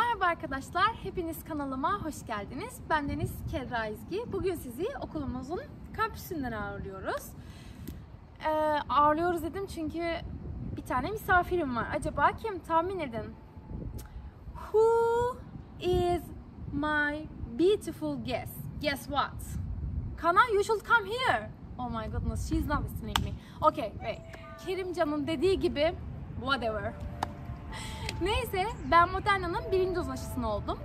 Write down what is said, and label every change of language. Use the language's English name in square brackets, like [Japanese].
[Turkish] Arkadaşlar, hepiniz kanalıma hoş geldiniz. Ben Deniz Kerra İzgi. Bugün sizi okulumuzun kampüsünden ağırlıyoruz. Ağırlıyoruz dedim çünkü bir tane misafirim var. Acaba kim? Tahmin edin. [English] Who is my beautiful guest? Guess what? Kana, you should come here. Oh my goodness, she's not listening to me. Okay, wait. [Turkish] Kerimcan'ın dediği gibi, [English] whatever. [Turkish] Neyse, ben Moderna'nın birinci doz aşısını oldum.